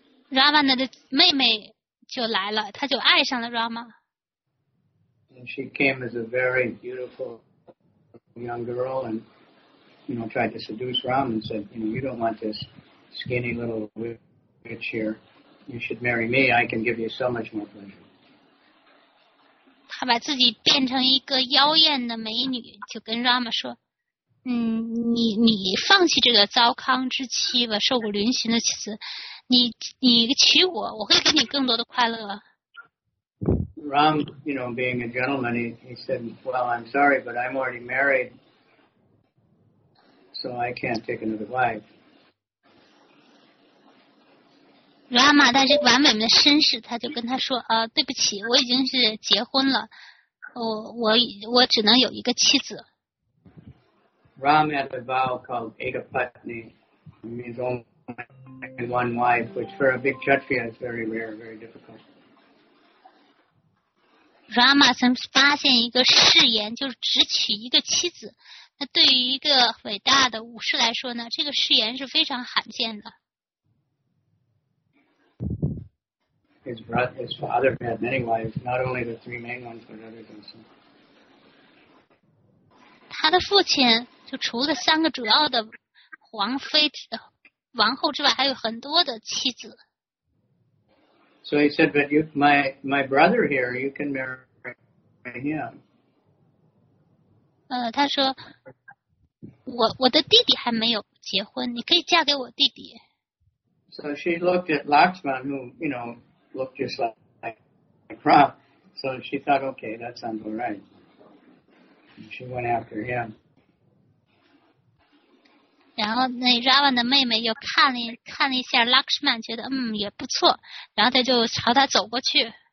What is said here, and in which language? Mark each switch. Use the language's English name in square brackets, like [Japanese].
[Chinese] Ravana 的妹妹就来了，她就爱上了 Rama. [English] And she came as a very beautiful young girl, and you know tried to seduce Ram and said, you know, you don't want this skinny little. You should marry me. I can give you so much more pleasure. [Chinese] 他把自己变成一个妖艳的美女，就跟 Rama 说：“你放弃这个糟糠之妻吧，受过嶙峋的妻子，你娶我，我会给你更多的快乐。” [English] Ram, you know, being a gentleman, he said, "Well, I'm sorry, but I'm already married, so I can't take another wife." [Chinese] Rama 他是完美的绅士，他就跟他说：“对不起，我已经是结婚了，我只能有一个妻子。” [English] Ram had a vow called Ekapatni, means only one wife, which for a big kshatriya is very rare, very difficult. [Chinese] Rama 曾发现一个誓言，就是只娶一个妻子。那对于一个伟大的武士来说呢，这个誓言是非常罕见的。 [English] His father had many wives, not only the three main ones, but others also. [Chinese] 他的父亲就除了三个主要的皇妃、王后之外，还有很多的妻子。 [English] So he said, "But you, my brother here, you can marry him." [Chinese] 他说我的弟弟还没有结婚，你可以嫁给我弟弟。 [English] So she looked at Lakshman, who, you know, looked just like Ram. So she thought, okay, that sounds all right. She went after him. [Chinese] 然后那 Ravan 的妹妹又看了一下 Lakshman, 觉得也不错，然后他就朝他走过去。